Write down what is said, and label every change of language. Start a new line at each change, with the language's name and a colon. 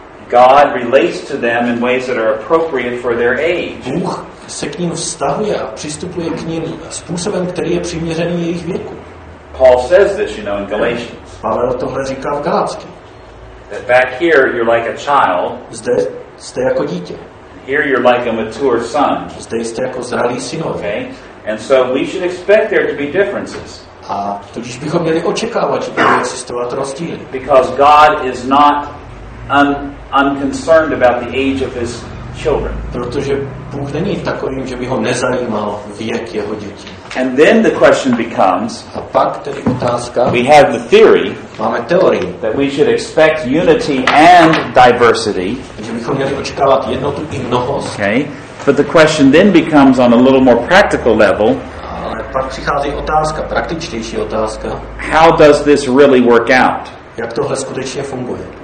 English: God relates to them in ways that are appropriate for their age.
Czech: Bůh se k ním vztahuje a přistupuje k ním způsobem, který je přiměřený jejich věku.
English: Paul says this, you know, in Galatians.
Czech: Pavel tohle říká v Galatsky.
English: That back here you're like a child.
Czech: Zde jste jako dítě.
English: Here you're like a mature son.
Czech: Zde jste jako zralý synové.
English: Okay? And so we should expect there to be differences.
Czech: A tudíž bychom měli očekávat, že budou existovat rozdíly.
English: Because God is not unconcerned about the age of his children.
Czech: Protože Bůh není takovým, že by ho nezajímal věk jeho dětí.
English: And then the question becomes,
Czech: a pak tedy otázka,
English: we have the theory,
Czech: máme teorii,
English: that we should expect unity and diversity,
Czech: že bychom měli očekávat jednotu i mnohost.
English: Okay. But the question then becomes on a little more practical level.
Czech: Ale pak přichází otázka, praktičtější otázka.
English: How does this really work out?
Czech: Jak tohle skutečně funguje?